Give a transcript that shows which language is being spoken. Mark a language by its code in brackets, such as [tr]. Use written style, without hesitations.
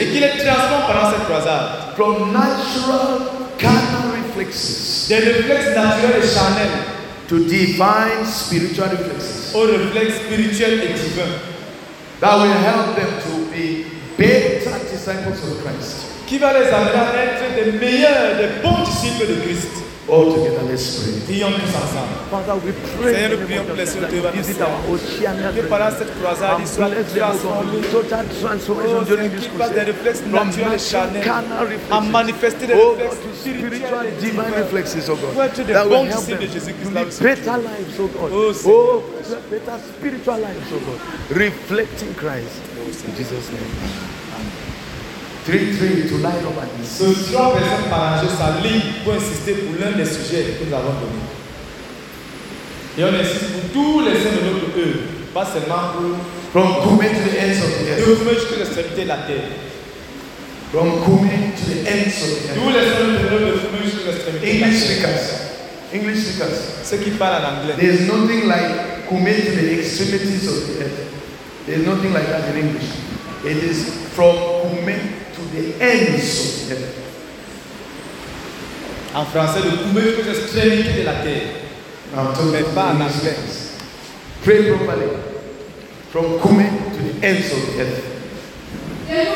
[fr] Et qu'il les transforme pendant cette croisade. [en] From natural carnal reflexes. [fr] Des réflexes naturels et charnels. [en] To divine spiritual reflexes. [fr] Au réflexe spirituel et divin. [en] That will help them to be better disciples of Christ. [fr] Qui va les amener à être des meilleurs, des bons disciples de Christ. [en] All together, let's pray. [fr] Prions tous ensemble. [en] Father, we pray. [fr] Seigneur, nous prions pour les Seigneurs de visite à Oceania. Que pendant cette croisade, il soit transformé. Total transformation during this crusade. Qui passe des réflexes naturels et charnels. À manifester des réflexes spirituels et [en] divine reflexes, oh God. [fr] Pour être des bons disciples de Jésus-Christ. [en] To live better lives, oh God. Oh, better spiritual lives, oh God. Reflecting Christ. In Jesus' name. Amen. Three to light up at this. [fr] Ce 3 personnes par jour s'alignent pour insister pour l'un des sujets que nous avons donné. Et on insiste pour tous les saints de notre œuvre, pas seulement pour. [en] From Kume to the ends of the earth. [fr] De Kume jusqu'à l'extrémité de la terre. [en] From Kume to the ends of the earth. [fr] Tous les saints de notre œuvre jusqu'à l'extrémité de la terre. [en] English speakers. [fr] Ceux qui parlent en anglais. [en] There is nothing like Kume to the extremities of the earth. There is nothing like that in English. It is from Kume. The ends of heaven. [fr] En français, le coumet jusqu'à l'extrémité de la terre. Mais pas en anglais. [en] Pray properly. from Kume to the ends of the earth.